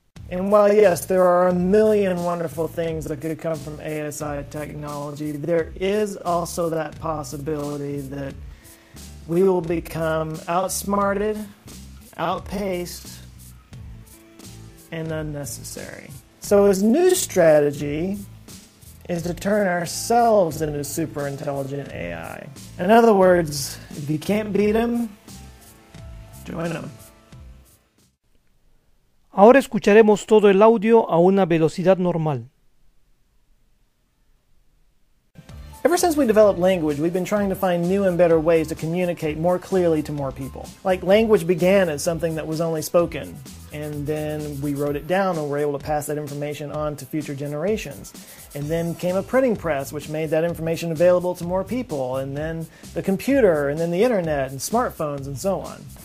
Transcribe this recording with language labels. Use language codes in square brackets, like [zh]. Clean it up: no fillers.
[en] And while, yes, there are a million wonderful things that could come from ASI technology, there is also that possibility that we will become outsmarted, outpaced, and unnecessary. So his new strategy is to turn ourselves into super intelligent AI. In other words, if you can't beat him, join him. [es] Ahora escucharemos todo el audio a una velocidad normal. [en] Ever since we developed language, we've been trying to find new and better ways to communicate more clearly to more people. Like, language began as something that was only spoken, and then we wrote it down and were able to pass that information on to future generations. And then came a printing press, which made that information available to more people, and then the computer, and then the internet, and smartphones, and so on.